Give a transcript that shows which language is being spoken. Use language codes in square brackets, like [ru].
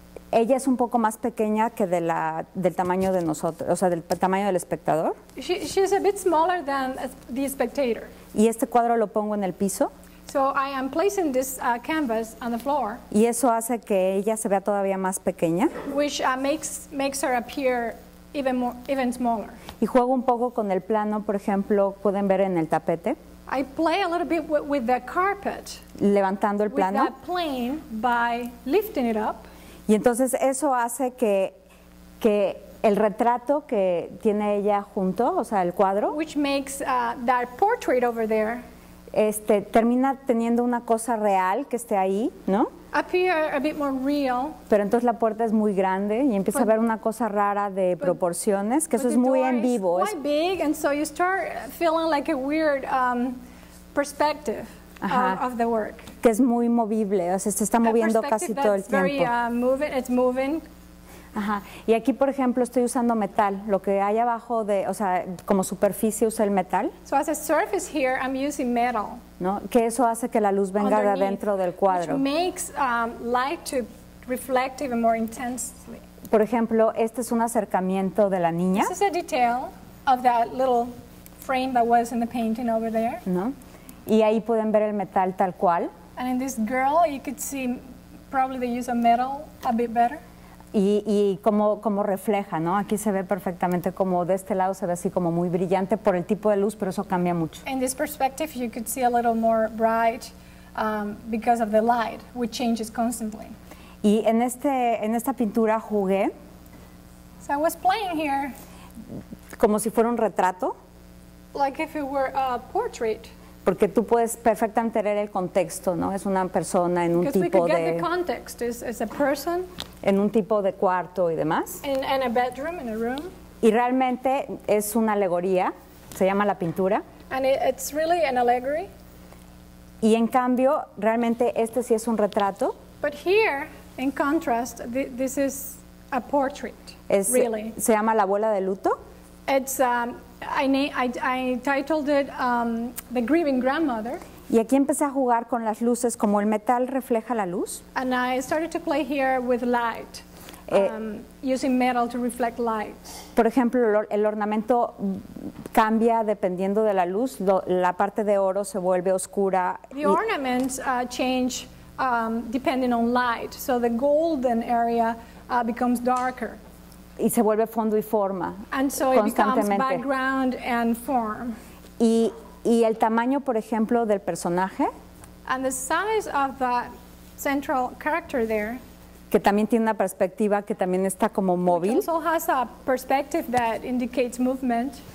[es] Ella es un poco más pequeña que del tamaño de nosotros, o sea, del tamaño del espectador. [en] She's a bit smaller than the spectator. [es] Y este cuadro lo pongo en el piso. [en] So I am placing this canvas on the floor. [es] Y eso hace que ella se vea todavía más pequeña. [en] Which makes her appear even smaller. [es] Y juego un poco con el plano, por ejemplo, pueden ver en el tapete. [en] I play a little bit with the carpet. [es] Levantando el plano. [en] With that plane by lifting it up. [es] Y entonces eso hace que el retrato que tiene ella junto, o sea, el cuadro. [en] Which makes that portrait over there. [es] Termina teniendo una cosa real que esté ahí, ¿no? [en] Appear a bit more real. [es] Pero entonces la puerta es muy grande y empieza a ver una cosa rara de proporciones, que eso es muy en vivo. [en] It's quite big, and so you start feeling like a weird perspective of the work. [es] Que es muy movible, o sea, se está moviendo casi todo el tiempo. [en] Very, moving, it's moving. Ajá. [es] Y aquí, por ejemplo, estoy usando metal. Lo que hay abajo o sea, como superficie usa el metal. [en] So as a surface here, I'm using metal. [es] ¿No? Que eso hace que la luz venga de adentro del cuadro. [en] Which makes light to reflect even more intensely. [es] Por ejemplo, este es un acercamiento de la niña. [en] This is a detail of that little frame that was in the painting over there. [es] ¿No? Y ahí pueden ver el metal tal cual. [en] And in this girl, you could see probably the use of metal a bit better. [es] Y como refleja, ¿no? Aquí se ve perfectamente como de este lado se ve así como muy brillante por el tipo de luz, pero eso cambia mucho. [en] In this perspective, you could see a little more bright because of the light, which changes constantly. [es] Y en esta pintura jugué. [en] So I was playing here. [es] Como si fuera un retrato. [en] Like if it were a portrait. [es] Porque tú puedes perfectamente leer el contexto, ¿no? Es una persona en un tipo de... [en] Because we could get the context. It's a person. [es] En un tipo de cuarto y demás. [en] In a bedroom, in a room. [es] Y realmente es una alegoría. Se llama la pintura. [en] And it's really an allegory. [es] Y en cambio, realmente este sí es un retrato. [en] But here, in contrast, this is a portrait, really. [es] Se llama La abuela de luto. [en] It's... I titled it The Grieving Grandmother. [es] Y aquí empecé a jugar con las luces, como el metal refleja la luz. [en] And I started to play here with light, using metal to reflect light. [es] Por ejemplo, el ornamento cambia dependiendo de la luz. La parte de oro se vuelve oscura. [en] The ornaments change depending on light. So the golden area becomes darker. [es] Y se vuelve fondo y forma constantemente. [en] Becomes background and form. [es] Y el tamaño, por ejemplo, del personaje. [en] And the size of the central character there. [es] Que también tiene una perspectiva que también está como móvil. [en] Which also has a perspective that indicates movement.